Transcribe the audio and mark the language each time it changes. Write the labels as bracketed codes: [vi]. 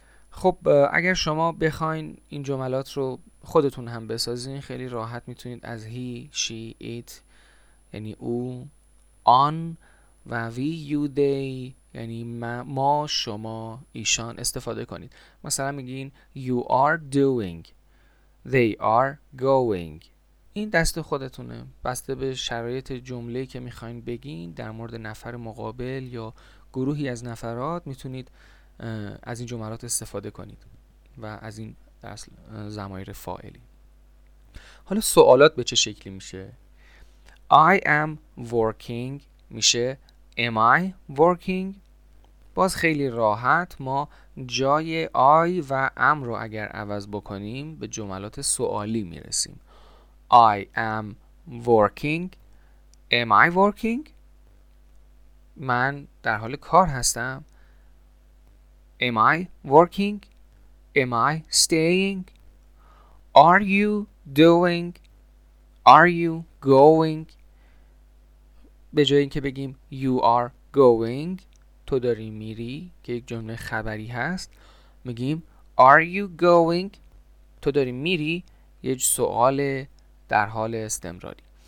[fa] خب اگر شما بخواین این جملات رو خودتون هم بسازین خیلی راحت میتونید از [en] he, she, it [fa] یعنی او، on و [en] we, you, they [fa] یعنی ما، شما، ایشان استفاده کنید. مثلا میگین [en] you are doing، they are going. [fa] این دست خودتونه، بسته به شرایط جمله‌ای که می‌خواید بگین در مورد نفر مقابل یا گروهی از نفرات میتونید از این جملات استفاده کنید و از این اصل ضمایر فاعلی. حالا سوالات به چه شکلی میشه؟ [en] I am working [fa] میشه [en] am I working. [fa] باز خیلی راحت ما جای I و am رو اگر عوض بکنیم به جملات سوالی میرسیم. [en] I am working. Am I working? [fa] من در حال کار هستم. [en] Am I working? Am I staying? Are you doing? Are you going؟ [fa] به جای اینکه بگیم [en] you are going، [fa] تو داری میری، که یک جمله خبری هست، میگیم [en] are you going، [fa] تو داری میری، یک سوال در حال استمراری.